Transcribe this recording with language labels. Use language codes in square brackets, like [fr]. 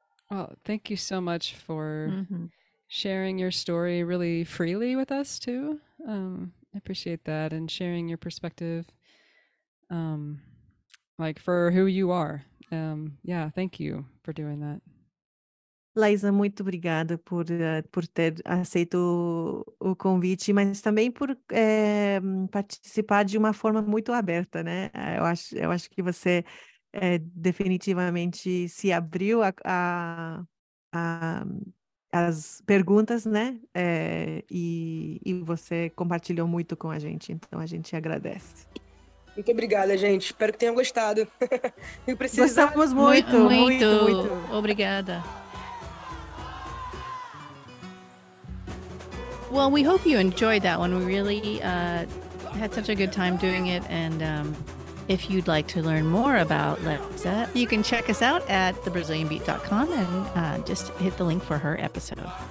[en] Well, thank you so much for sharing your story really freely with us too. I appreciate that, and sharing your perspective, like for who you are. Yeah, thank you for doing that. [pt] Laísa, muito obrigada por ter aceito o convite, mas também por participar de uma forma muito aberta, né? Eu acho que você definitivamente se abriu às perguntas, né? E você compartilhou muito com a gente, então a gente agradece. Muito obrigada, gente. Espero que tenham gostado. Gostamos muito, muito, muito. Obrigada. [en] Well, we hope you enjoyed that one. We really had such a good time doing it. And if you'd like to learn more about Laísa, you can check us out at thebrazilianbeat.com and just hit the link for her episode.